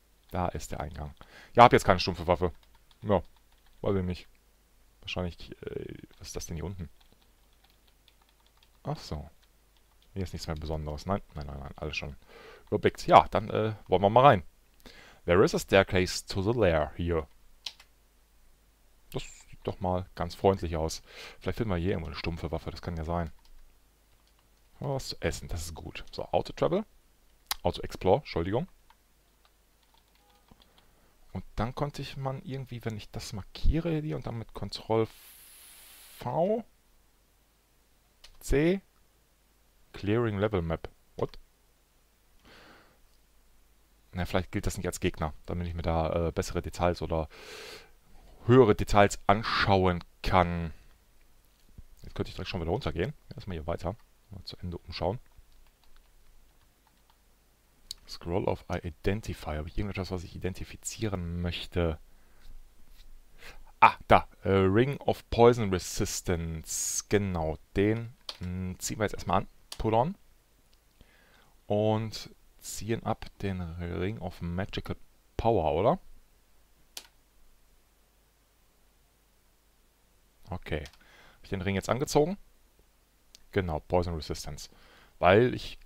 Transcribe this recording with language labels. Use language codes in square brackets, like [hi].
[de] Da ist der Eingang. Ja, hab jetzt keine stumpfe Waffe. Ja, weiß ich nicht. Wahrscheinlich, was ist das denn hier unten? Ach so. Hier ist nichts mehr Besonderes. Nein, alles schon überblickt. Ja, dann wollen wir mal rein. [en] There is a staircase to the lair here. [de] Das sieht doch mal ganz freundlich aus. Vielleicht finden wir hier irgendwo eine stumpfe Waffe, das kann ja sein. Was zu essen, das ist gut. So, Auto Travel. Auto Explore, Entschuldigung. Und dann konnte ich man irgendwie, wenn ich das markiere hier und dann mit Ctrl V, C, Clearing Level Map. What? Na, vielleicht gilt das nicht als Gegner, damit ich mir da bessere Details oder höhere Details anschauen kann. Jetzt könnte ich direkt schon wieder runtergehen. Erstmal hier weiter, mal zu Ende umschauen. Scroll of Identify. Habe ich irgendetwas, was ich identifizieren möchte? Ah, da. [en] Ring of Poison Resistance. [de] Genau, den ziehen wir jetzt erstmal an. [en] Pull on. [de] Und ziehen ab den Ring of Magical Power, oder? Okay. Habe ich den Ring jetzt angezogen? Genau, Poison Resistance. Weil ich...